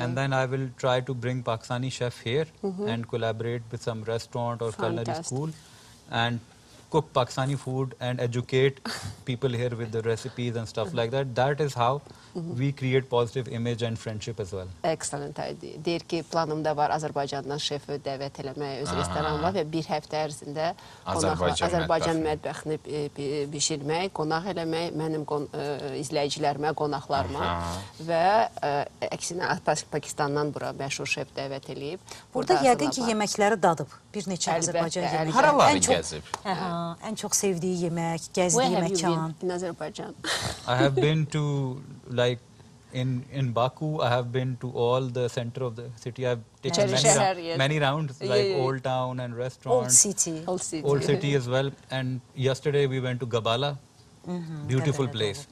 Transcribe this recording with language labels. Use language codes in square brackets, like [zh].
[en] And then I will try to bring Pakistani chef here and collaborate with some restaurant or culinary school and cook Pakistani food and educate people here with the recipes and stuff like that. That is how we create positive image and friendship as well. Excellent idea. [az] Deyir ki, planımda var Azərbaycandan şefi dəvət eləmək, öz restoranı var və bir həftə ərzində Azərbaycan mətbəxini bişirmək, qonaq eləmək, mənim izləyicilərimə, qonaqlarıma və əksinə Pakistandan bura məşhur şef dəvət eləyib. Burada yəqin ki, yeməkləri dadıb. Bir neçə Azərbaycan yeməkləri. Haraları gəzib? Ən çox sevdiyi yemək, gəzdiyi məkan. [en] In Azərbaycan. I have been to like in Baku, I have been to all the center of the city. I've taken many rounds, like old town and restaurant. Old city as well. And yesterday we went to Gabala, beautiful place.